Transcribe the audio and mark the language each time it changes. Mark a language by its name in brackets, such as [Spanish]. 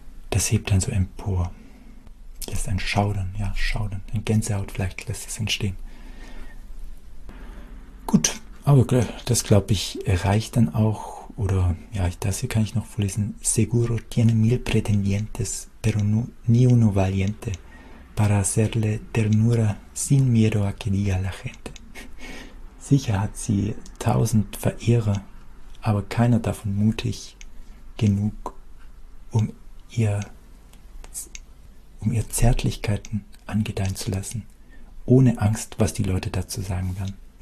[German] das hebt dann so empor, lässt ein Schaudern, ja, Schaudern, ein Gänsehaut vielleicht lässt es entstehen. Gut, aber das glaube ich reicht dann auch, oder ja, das hier kann ich noch vorlesen. [Spanish] Seguro tiene mil pretendientes, pero ni uno valiente para hacerle ternura sin miedo a que diga la gente. [German] Sicher hat sie 1000 Verehrer, aber keiner davon mutig genug, um ihr Zärtlichkeiten angedeihen zu lassen, ohne Angst, was die Leute dazu sagen werden.